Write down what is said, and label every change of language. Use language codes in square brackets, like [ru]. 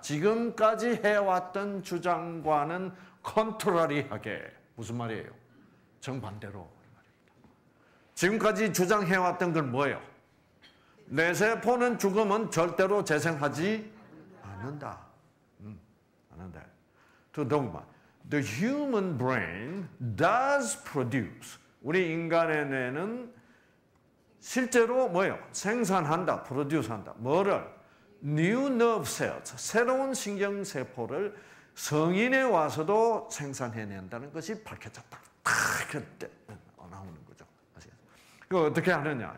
[ko] 지금까지 해왔던 주장과는 컨트러리하게. 무슨 말이에요? 정반대로 말입니다. 지금까지 주장해왔던 건 뭐예요? 뇌세포는 죽으면 절대로 재생하지 않는다. 않는다. [en] To dogma. The human brain does produce. [ko] 우리 인간의 뇌는 실제로 뭐예요? 생산한다. produce 한다. 뭐를? [en] New nerve cells, [ko] 새로운 신경세포를 성인에 와서도 생산해낸다는 것이 밝혀졌다. 탁, 그때 나오는 거죠. 아시겠어요? 이거 어떻게 하느냐.